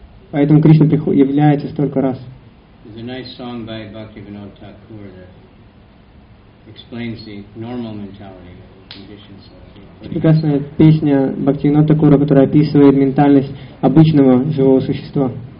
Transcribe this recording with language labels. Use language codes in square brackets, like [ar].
[ru] Поэтому Кришна является столько раз. [en] There's a nice song by Bhaktivinoda Thakur that explains the normal mentality of conditioned souls. [ru] Прекрасная песня Бхактивинода Такура, которая описывает ментальность обычного живого существа.